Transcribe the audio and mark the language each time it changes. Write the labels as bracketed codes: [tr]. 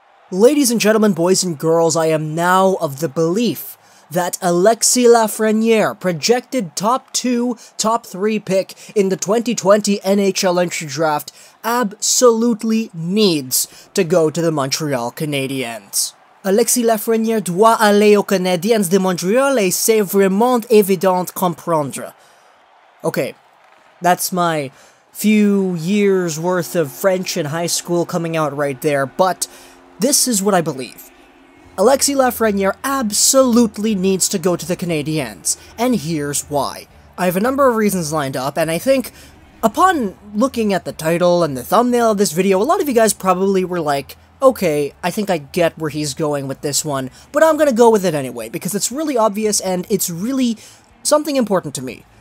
[en] Ladies and gentlemen, boys and girls, I am now of the belief that Alexis Lafrenière, projected top two, top three pick in the 2020 NHL entry draft, absolutely needs to go to the Montreal Canadiens. [fr] Alexis Lafrenière doit aller aux Canadiens de Montréal et c'est vraiment évident comprendre. [en] Okay, that's my few years worth of French in high school coming out right there, but this is what I believe. Alexis Lafrenière absolutely needs to go to the Canadiens, and here's why. I have a number of reasons lined up, and I think, upon looking at the title and the thumbnail of this video, a lot of you guys probably were like, okay, I think I get where he's going with this one, but I'm gonna go with it anyway, because it's really obvious and it's really something important to me.